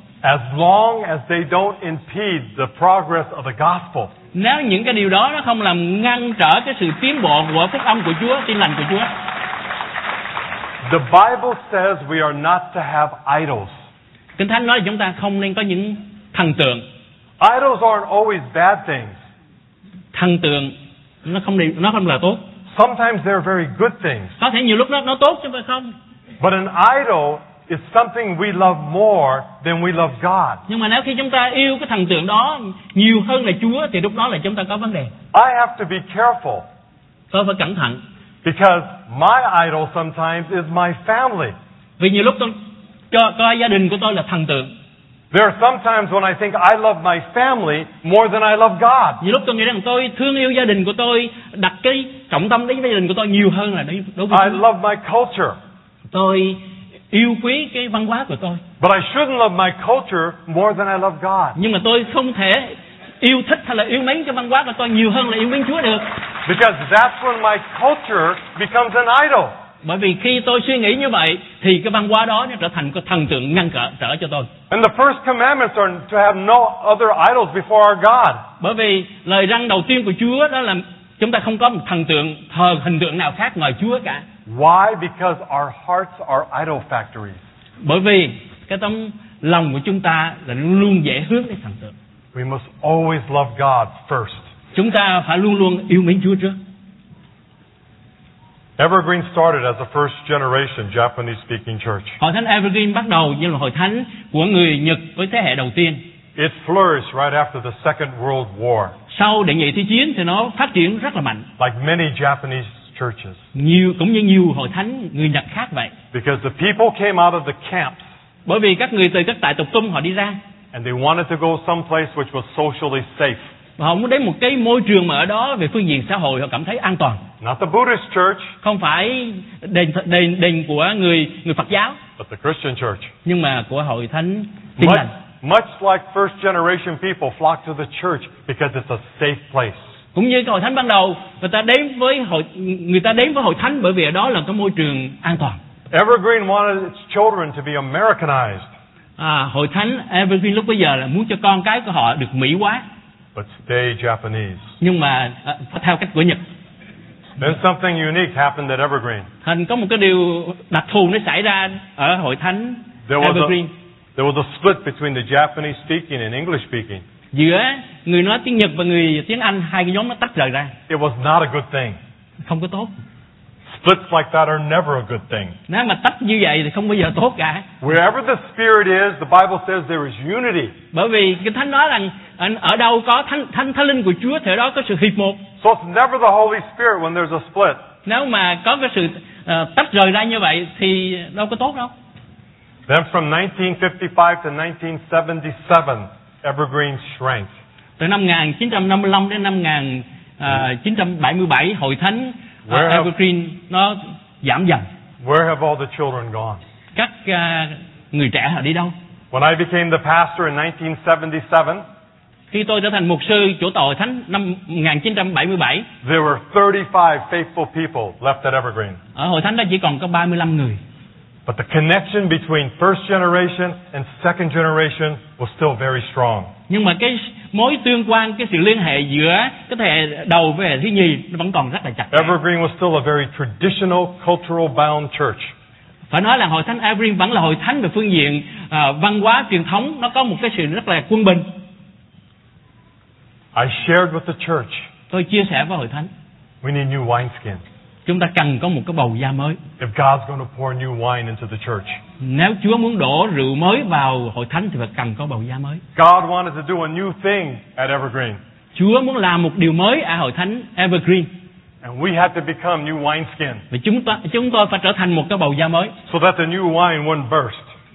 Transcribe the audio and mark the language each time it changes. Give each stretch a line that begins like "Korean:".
English: As long as they don't impede the progress of the gospel.
Vietnamese: Nếu những cái điều đó nó không làm ngăn trở cái sự tiến bộ của phúc âm của Chúa, tin lành của Chúa.
English: The Bible says we are not to have idols.
Vietnamese: Kinh Thánh nói chúng ta không nên có những thần tượng.
English: Idols aren't always bad things.
Vietnamese: Thần tượng nó không là tốt.
English: Sometimes they're very good things.
Vietnamese: Có thể nhiều lúc nó tốt chứ phải không?
English: But an idol is something we love more than we love God.
Vietnamese: Nhưng mà nếu khi chúng ta yêu cái thần tượng đó nhiều hơn là Chúa thì lúc đó là chúng ta có vấn đề.
English: I have to be careful.
Vietnamese: Tôi phải cẩn thận.
English: Because my idol sometimes is my family.
Vietnamese: Vì nhiều lúc tôi coi gia đình của tôi là thần tượng.
English: There are sometimes when I think I love my family more than I love God.
Vietnamese: Nhiều lúc tôi nghĩ rằng tôi thương yêu gia đình của tôi, đặt cái trọng tâm đến gia đình của tôi nhiều hơn là đối với Chúa.
English: I love my culture.
Vietnamese: Tôi yêu quý cái văn hóa của tôi.
English: But I shouldn't love my culture more than I love God.
Vietnamese: Nhưng mà tôi không thể yêu thích hay là yêu mến cái văn hóa của tôi nhiều hơn là yêu mến Chúa được.
English: Because that's when my culture becomes an idol.
Vietnamese: Bởi vì khi tôi suy nghĩ như vậy thì cái văn hóa đó nó trở thành cái thần tượng ngăn cản trở cho tôi.
English: And the first commandments are to have no other idols before our God.
Vietnamese: Bởi vì lời răn đầu tiên của Chúa đó là chúng ta không có một thần tượng thờ hình tượng nào khác ngoài Chúa cả.
English: Why? Because our hearts are idol factories.
Vietnamese: Bởi vì cái tấm lòng của chúng ta là luôn dễ hướng đến thần tượng.
English: We must always love God first.
Vietnamese: Chúng ta phải luôn luôn yêu mến Chúa trước.
English: Evergreen started as a first generation Japanese speaking church.
Vietnamese: Hội thánh Evergreen bắt đầu như là hội thánh của người Nhật với thế hệ đầu tiên.
English: It flourished right after the Second World War.
Vietnamese: Sau đệ nhị thế chiến thì nó phát triển rất là mạnh.
English: Like many Japanese churches.
Vietnamese: Nhiều cũng như nhiều hội thánh người Nhật khác vậy.
English: Because the people came out of the camps.
Vietnamese: Bởi vì các người từ các tại tục tung họ đi ra.
English: And they wanted to go someplace which was socially safe.
Vietnamese: Họ muốn đến một cái môi trường mà ở đó về phương diện xã hội họ cảm thấy an toàn.
English: Not the Buddhist church.
Vietnamese: Không phải đền của người Phật giáo.
English: But the Christian church.
Vietnamese: Nhưng mà của hội thánh Tin Lành.
English: Much like first generation people flock to the church because it's a safe place.
Vietnamese: Cũng như hội thánh ban đầu, người ta đến với hội thánh bởi vì ở đó là cái môi trường an toàn.
English: Evergreen wanted its children to be Americanized.
Vietnamese: Hội thánh Evergreen lúc bây giờ là muốn cho con cái của họ được Mỹ hóa.
English: But stay Japanese.
Vietnamese: Nhưng mà theo cách của Nhật.
English: Then something unique happened at Evergreen.
Vietnamese: Thành có một cái điều đặc thù nó xảy ra ở hội thánh Evergreen.
English: There was a split between the Japanese speaking and English speaking.
Vietnamese: Giữa người nói tiếng Nhật và người tiếng Anh hai cái nhóm nó tách rời ra.
English: It was not a good thing.
Vietnamese: Không có tốt.
English: Splits like that are never a good thing.
Vietnamese: Nếu mà tách như vậy thì không bao giờ tốt cả.
English: Wherever the spirit is, the Bible says there is unity.
Vietnamese: Bởi vì Kinh Thánh nói rằng ở đâu có thánh linh của Chúa thì ở đó có sự hiệp một.
English: So it's never the Holy Spirit when there's a split.
Vietnamese: Nếu mà có cái sự tách rời ra như vậy thì đâu có tốt đâu.
English: Then from 1955 to 1977, Evergreen shrank.
Vietnamese: Từ năm 1955 đến năm 1977, hội thánh Evergreen nó giảm dần.
English: Where have all the children gone?
Vietnamese: Các người trẻ họ đi đâu?
English: When I became the pastor in 1977,
Vietnamese: khi tôi trở thành mục sư chủ tọa hội thánh năm 1977,
English: there were 35 faithful people left at Evergreen.
Vietnamese: Ở hội thánh đó chỉ còn có 35 người.
English: But the connection between first generation and second generation was still very strong.
Vietnamese: Nhưng mà cái mối tương quan, cái sự liên hệ giữa cái thế hệ đầu với thế hệ thứ nhì vẫn còn rất là chặt.
English: Evergreen was still a very traditional, cultural bound church.
Vietnamese: Phải nói là hội thánh Evergreen vẫn là hội thánh về phương diện văn hóa truyền thống, nó có một cái sự rất là quân bình.
English: I shared with the church.
Vietnamese: Tôi chia sẻ với hội thánh.
English: We need new wineskins.
Vietnamese: Chúng ta cần có một cái bầu da mới.
English: If God's going to pour new wine into the church.
Vietnamese: Nếu Chúa muốn đổ rượu mới vào hội thánh thì phải cần có bầu da mới.
English: God wanted to do a new thing at Evergreen.
Vietnamese: Chúa muốn làm một điều mới ở hội thánh Evergreen.
English: And we had to become new wineskin.
Vietnamese: Và chúng tôi phải trở thành một cái bầu da mới.
English: So that the new wine won't burst.